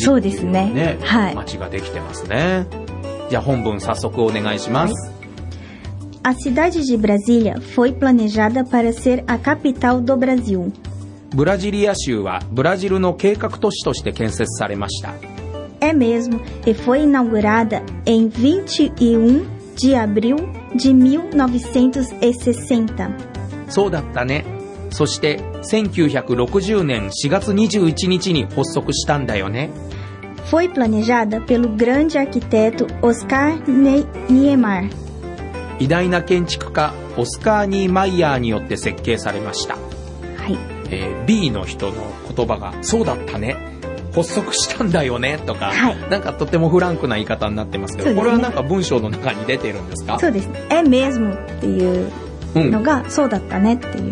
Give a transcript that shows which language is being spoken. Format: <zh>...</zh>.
<ja>そうですね、ね、はい、街ができてますね。じゃあ本文早速お願いします、はい、</ja> <pt>A cidade de Brasília foi planejada para ser a capital do Brasil。</pt> <ja>ブラジリア州はブラジルの計画都市として建設されました。</ja> <pt>É mesmo, e foi inaugurada em 21 de abril de 1960.</pt> <ja>そうだったね。そして1960年4月21日に発足したんだよね。</ja> <pt>Foi planejada pelo grande arquiteto Oscar Niemeyer.</pt> <ja>偉大な建築家オスカー・ニーマイヤーによって設計されました。はい、 B の人の言葉がそうだったね、発足したんだよねとか、はい、なんかとてもフランクな言い方になってますけど、そうですね、これはなんか文章の中に出てるんですか。そうですね、エメズムっていうのがそうだったねっていう、うん、</ja>